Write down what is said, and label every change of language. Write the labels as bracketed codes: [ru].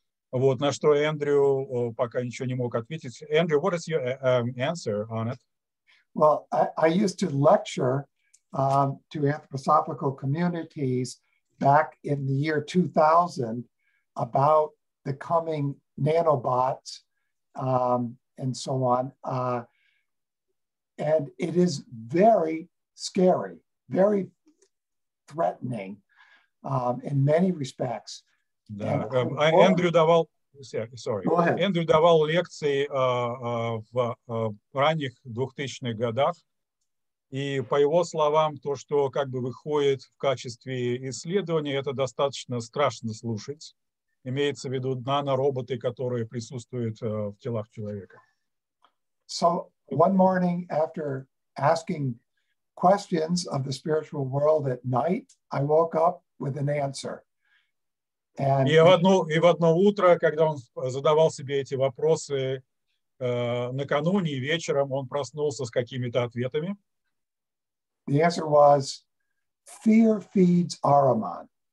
[ru] Вот, на что Эндрю пока ничего не мог ответить. [en] Эндрю, what is your answer on it? Well, I used to lecture to anthroposophical communities back in the year 2000 about the coming nanobots and so on. And it is very scary, very threatening in many respects. Yeah. Andrew Daval. Sorry. [ru] Эндрю давал лекции в ранних 2000-х годах, и по его словам, то, что как бы выходит в качестве исследования, это достаточно страшно слушать. Имеется в виду нанороботы, которые присутствуют в телах человека. [en] So one morning after asking questions of the spiritual world at night, I woke up with an answer. [ru] And и в одно утро, когда он задавал себе эти вопросы накануне и вечером, он проснулся с какими-то ответами. [en] The answer was, fear feeds Ahriman.